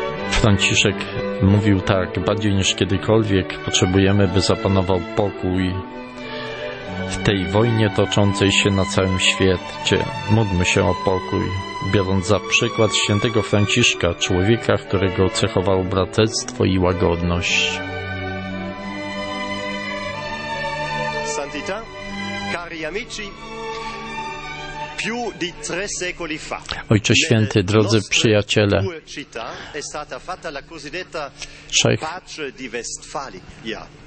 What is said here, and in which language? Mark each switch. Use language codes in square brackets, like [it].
[pl] Franciszek mówił tak: bardziej niż kiedykolwiek potrzebujemy, by zapanował pokój w tej wojnie toczącej się na całym świecie. Módlmy się o pokój, biorąc za przykład świętego Franciszka, człowieka, którego cechowało braterstwo i łagodność. [it] Santità, cari amici, più di tre secoli fa. [pl] Ojcze Święty, drodzy przyjaciele, [it] è stata fatta la cosiddetta pace di Westfalia.